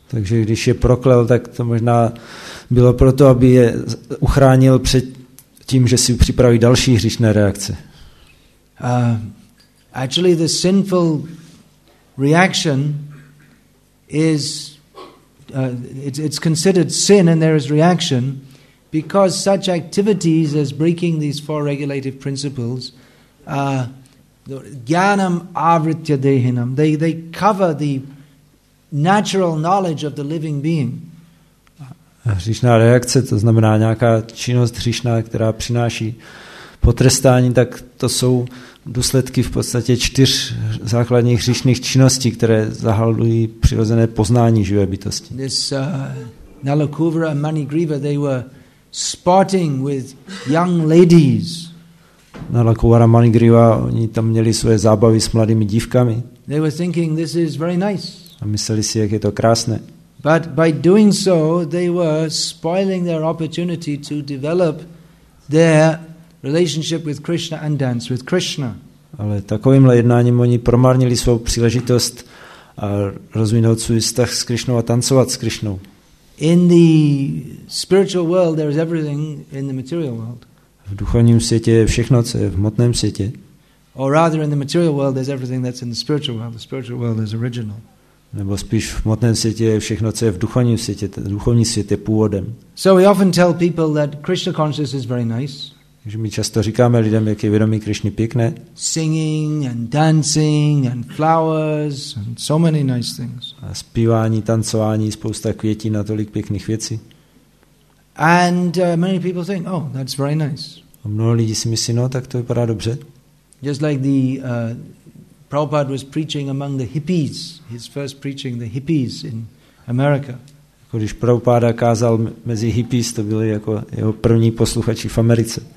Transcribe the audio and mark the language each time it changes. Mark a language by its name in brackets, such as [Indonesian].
[Czech] Takže když je proklel, tak to možná bylo proto, aby je uchránil před tím, že si připraví další hříšné reakce. [English] Actually the sinful reaction is it's considered sin and there is reaction because such activities as breaking these four regulative principles [Sanskrit] jnanam avritya dehinam, [English] they cover the natural knowledge of the living being. [Czech] Hříšná reakce, to znamená nějaká činnost hříšná, která přináší potrestání, tak to jsou důsledky v podstatě čtyř základních hříšných činností, které zahalují přirozené poznání živé bytosti. [English] This Nalakuvra and Manigriva, they were sporting with young ladies. [Czech] Nalakuvra a Manigriva, oni tam měli svoje zábavy s mladými dívkami. [English] They were thinking this is very nice. [Czech] A mysleli si, jak je to krásné. [English] But by doing so, they were spoiling their opportunity to develop their relationship with Krishna and dance with Krishna. [Czech] Ale takovýmhle jednáním oni promarnili svou příležitost a rozvinout svůj vztah s Krišnou a tancovat s Krišnou. [English] In the spiritual world there is everything in the material world. [Czech] V duchovním světě je všechno, co je v hmotném světě. [English] Or rather in the material world there's everything that's in the spiritual world. The spiritual world is original. [Czech] Nebo spíš v hmotném světě je všechno, co je v duchovním světě. Ten duchovní svět je původem. [English] So we often tell people that Krishna consciousness is very nice. [Czech] Takže my často říkáme lidem, jak je vědomí Krišny pěkné. [English] Singing and dancing and flowers and so many nice things. [Czech] A zpívání, tancování, spousta květin a tolik pěkných věcí. [English] And many people think, oh, that's very nice. [Czech] A mnoho lidí si myslí, no, tak to vypadá dobře. [English] Just like the Prabhupada was preaching among the hippies, his first preaching, the hippies in America. [Czech] Jako když Prabhupada kázal mezi hippies, to byli jako jeho první posluchači v Americe.